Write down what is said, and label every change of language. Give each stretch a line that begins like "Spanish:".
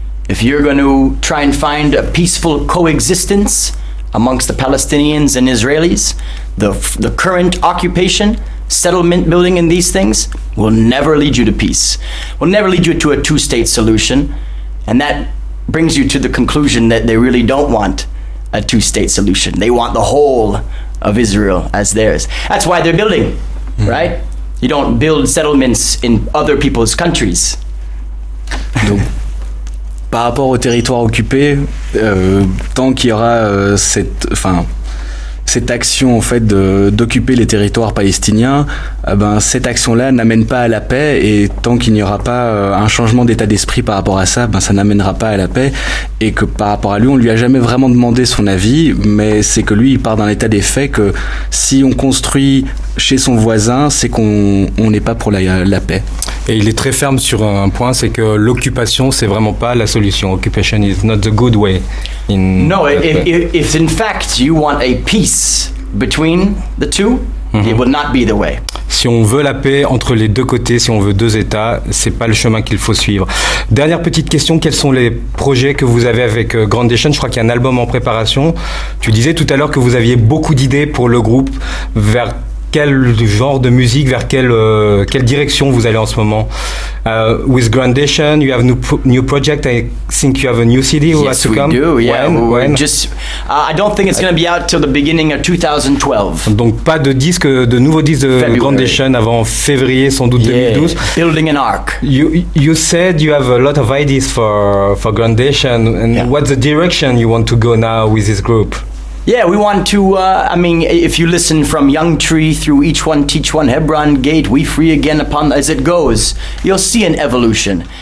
English: If you're going to try and find a peaceful coexistence amongst the Palestinians and Israelis, the current occupation, settlement building and these things will never lead you to peace, will never lead you to a two-state solution. And that brings you to the conclusion that they really don't want a two-state solution. They want the whole of Israel as theirs. That's why they're building, right? You don't build settlements in other people's countries.
French: Donc, par rapport au territoire occupé, tant qu'il y aura cette action en fait d'occuper les territoires palestiniens, cette action-là n'amène pas à la paix, et tant qu'il n'y aura pas un changement d'état d'esprit par rapport à ça, ça n'amènera pas à la paix. Et que par rapport à lui, on lui a jamais vraiment demandé son avis, mais c'est que lui, il part d'un état des faits que si on construit chez son voisin, c'est qu'on n'est pas pour la paix. Et il est très ferme sur un point, c'est que l'occupation, c'est vraiment pas la solution.
English: Occupation is not the good way. If in fact you want a peace between the two, it will not be the way.
French: Si on veut la paix entre les deux côtés, si on veut deux États, c'est pas le chemin qu'il faut suivre. Dernière petite question, quels sont les projets que vous avez avec Grand Nation? Je crois qu'il y a un album en préparation. Tu disais tout à l'heure que vous aviez beaucoup d'idées pour le groupe. Vers quel genre de musique, vers quelle direction vous allez en ce moment?
English: With Grand Nation, you have new project. I think you have a new CD. Yes, has to we come. Do. Yeah. When? Just, I don't think it's going to be out till the beginning of 2012.
French: Donc pas de disque, de nouveau disque de Grand Nation avant février, sans doute 2012.
English: Building an arc. You said you have a lot of ideas for Grand Nation. And what's the direction you want to go now with this group? Yeah, we want to, if you listen from Young Tree through Each One Teach One, Hebron Gate, We Free Again Upon As It Goes, you'll see an evolution.